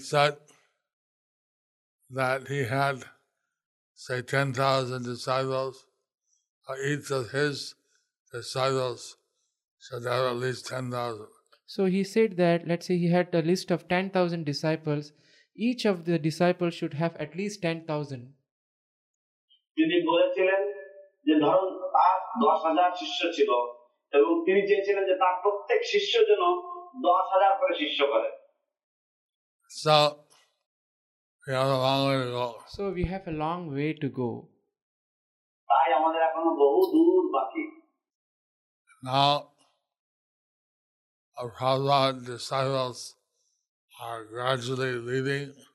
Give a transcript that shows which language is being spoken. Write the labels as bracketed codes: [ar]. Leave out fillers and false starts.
[en] He said that he had say 10,000 disciples, or each of his disciples should have at least 10,000. So he said that, let's say he had a list of 10,000 disciples, each of the disciples should have at least 10,000. [bn] তিনি বলেছিলেন যে ধরুন তার 10,000 শিষ্য ছিল এবং তিনি চেয়েছিলেন যে তার প্রত্যেক শিষ্য যেন 10,000 করে শিষ্য করে. [en] So we have a long way to go. So we have a long way to go. [bn] তাই আমাদের এখনো বহু দূর বাকি. [en] Now Prabhupada's disciples are gradually leaving.